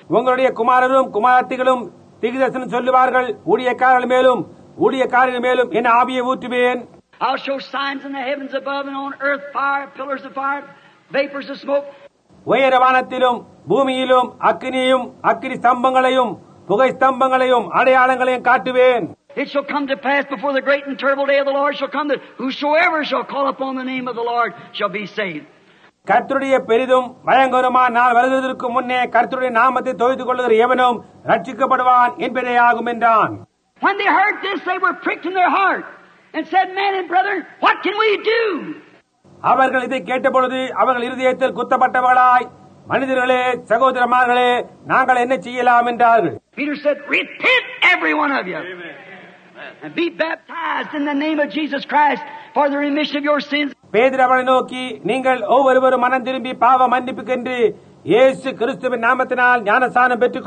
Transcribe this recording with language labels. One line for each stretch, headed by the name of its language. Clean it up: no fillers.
Tamil: உங்களுடைய குமாரரும் குமாரத்திகளும் தீர்க்கதரிசனம் சொல்லுவார்கள். ஊழியக்காரர்கள் மேலும் என் ஆவியை ஊற்றுவேன்.
English: I'll show signs in the heavens above and on earth, fire, pillars of fire, vapors of smoke.
Tamil: உயர வானத்திலும் பூமியிலும் அக்னியும் அக்னி ஸ்தம்பங்களையும் புகை ஸ்தம்பங்களையும் அடையாளங்களையும் காட்டுவேன்.
English: It shall come to pass before the great and terrible day of the Lord shall come that whosoever shall call upon the name of the Lord shall be saved.
Tamil: கர்த்தருடைய பெரிதும் பயங்கரமான நாள் வருவதற்கு முன்னே கர்த்தருடைய நாமத்தை தொழுது கொள்ளுகிற எவனும் ரட்சிக்கப்படுவான் என்பதே ஆகும் என்றான்.
English: When they heard this, they were pricked in their heart and said, "Man and brother, what can we do?"
Tamil: அவர்கள் இதை கேட்டபொழுது அவர்கள் இருதயத்தில் குத்தப்பட்டவர்களாய், மனிதர்களே, சகோதரமார்களே, நாங்கள் என்ன செய்யலாம் என்றார்கள்.
English: Peter said, "Repent, every one of you, and be baptized in the name of Jesus Christ for the remission of your sins."
Tamil: பேதுரு அவனை நோக்கி, நீங்கள் ஒவ்வொருவரும் மனம் திரும்பி பாவ மன்னிப்புக்கென்று இயேசு கிறிஸ்துவின் நாமத்தினால் ஞானஸ்தானம் பெற்றுக்